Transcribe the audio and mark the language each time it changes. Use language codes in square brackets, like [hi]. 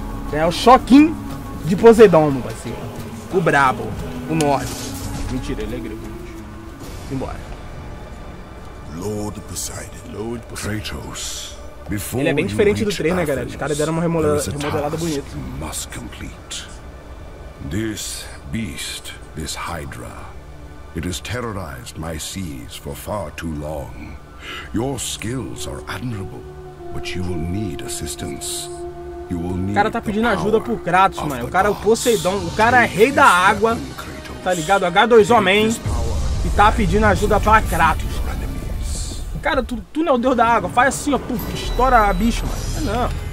[pt] Ganhar o choquinho de Poseidon, meu parceiro. O brabo. O nórdico. Mentira, ele é grego. Vambora. [en] Lord Poseidon. Lord Poseidon. Kratos. [pt] Ele é bem diferente do trem, né, galera? Os caras deram uma remodelada bonita. [en] Must complete. This beast, this Hydra, it has terrorized my seas for far too long. Your skills are admirable, but you will need assistance. You will need. [pt] O cara tá pedindo ajuda pro Kratos, mano. O cara é o Poseidon, o cara é rei da água, tá ligado? H2O Man, e tá pedindo ajuda pra Kratos. Cara, tu não é o deus da água. Faz assim, ó. Puf, estoura a bicha, mano.